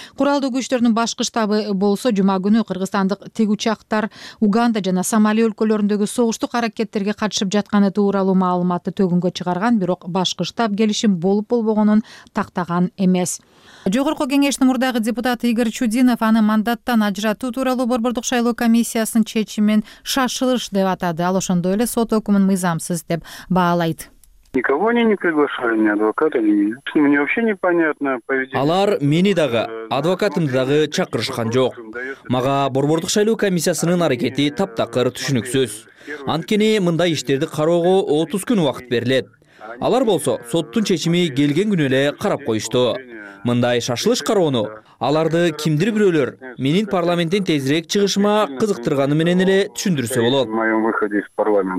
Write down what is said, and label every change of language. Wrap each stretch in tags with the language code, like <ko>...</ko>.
<ky>Куралдуу күчтөрдүн башкы штабы болсо жума күнү кыргызстандык тиг учактар Уганда жана Сомали өлкөлөрүндөгү согуштук аракеттерге катышып жатканы тууралуу маалыматты төгүнгө чыгарган, бирок башкы штаб келишим болуп болбогонун тактаган эмес. Жогорку кеңештин мурдагы депутаты Игорь Чудинов аны мандаттан ажыратуу тууралуу борбордук шайлоо комиссиясынын чечимин шашылыш деп атады. Ал ошондой эле сот өкүмүн мыйзамсыз деп баалайт.</ky> <ru>Никого они не приглашали, ни адвоката, ни меня. Мне вообще непонятно поведение.</ru> <ky>Алар мени дагы, адвокатымды дагы чакырышкан жок. Мага борбордук шайлоо комиссиясынын аракети таптакыр түшүнүксүз. Анткени мындай иштерди кароого 30 күн убакыт берилет. Алар болсо соттун чечими келген күнү эле карап коюшту. Мындай шашылыш кароону аларды кимдир бирөөлөр менин парламенттен тезирээк чыгышыма кызыктырганы менен эле түшүндүрсө болот.</ky>